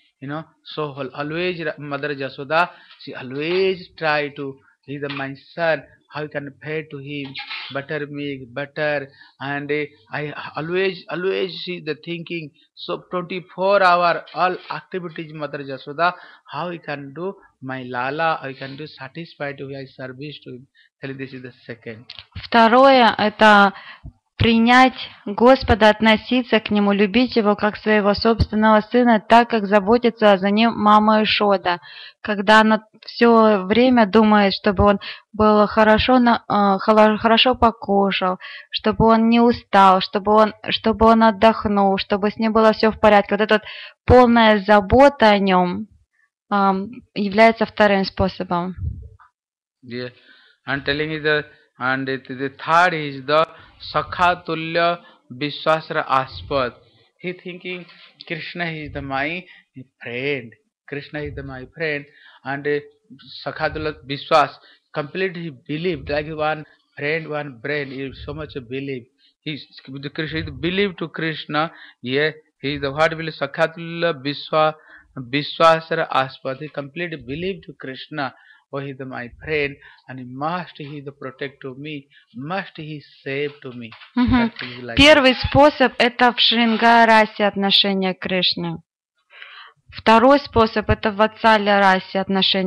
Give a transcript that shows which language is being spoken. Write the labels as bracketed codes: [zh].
[en] You know, so always Mother Yashoda, she always try to, he is my son, how you can pay to him, butter, and I always see the thinking, so 24 hour, all activities Mother Yashoda, how he can do, my Lala, I can do satisfy to my service to him. Telling this is the second. [ru] Второе – это принять Господа, относиться к Нему, любить Его как своего собственного сына, так как заботится за Ним мама Ишода. Когда она все время думает, чтобы он был хорошо покушал, чтобы он не устал, чтобы он отдохнул, чтобы с ним было все в порядке. Вот эта вот полная забота о нем является вторым способом. [en] Yeah. I'm telling you and the third is the Sakhatulya Vishwasra Aspad. He thinking Krishna is the my friend. Krishna is the my friend. And Sakhatulya Vishwas completely believed, like one friend, one brain. He so much believe. He believed to Krishna. Yeah, he is the what will Sakhatulya Vishwasra Aspad. He completely believed to Krishna. Oh, he is my friend, and must he the protect to me, must he save to me. [ru] Первый способ – это в Шрингарасе отношение к Кришне. Второй способ – это в Ватсалярасе отношение к Кришне.